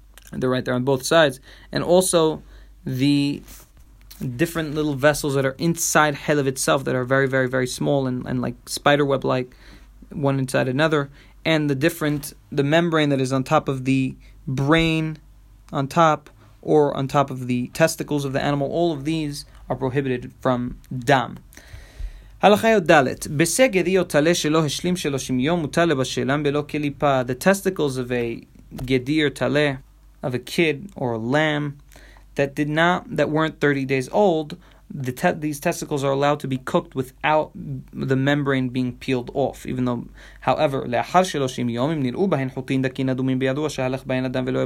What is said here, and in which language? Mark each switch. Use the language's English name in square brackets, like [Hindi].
[English] they're right there on both sides, and also the different little vessels that are inside Helev itself that are very, very, very small and like spiderweb like one inside another, and the membrane that is on top of the brain on top or on top of the testicles of the animal. All of these are prohibited from dam. [Hebrew] הלכה יוד דלת, בסגדי או טלה שלא השלים 30 יום מותר לבשלם בלא קליפה. [English] The testicles of a gedi or tale, of a kid or a lamb, that weren't 30 days old, these testicles are allowed to be cooked without the membrane being peeled off, even though, however, [Hebrew] לאחר 30 יום, אם נראו בהן חוטים דקין אדומים בידו, שהלך בהן אדם